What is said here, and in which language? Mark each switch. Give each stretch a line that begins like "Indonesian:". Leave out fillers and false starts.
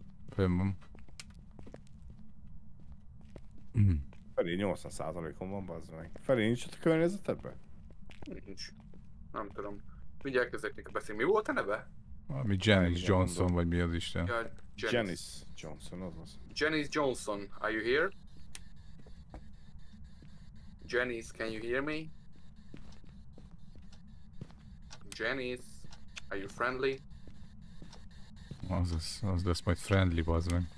Hungarian: Fönn van. Felé 80%-on van, bazd meg. Felé nincs ott a környezetedben? Nincs. Nem tudom. Mindjárt elkezdek nekik beszélni. Mi volt a neve? Valami Janice Johnson, mondom. Vagy mi az Isten. Ja, Janice Johnson, azaz.
English: Janice Johnson, are you here? Janice, can you hear me? Janice, are you friendly?
Hungarian: Azaz, az lesz majd friendly, bazd meg.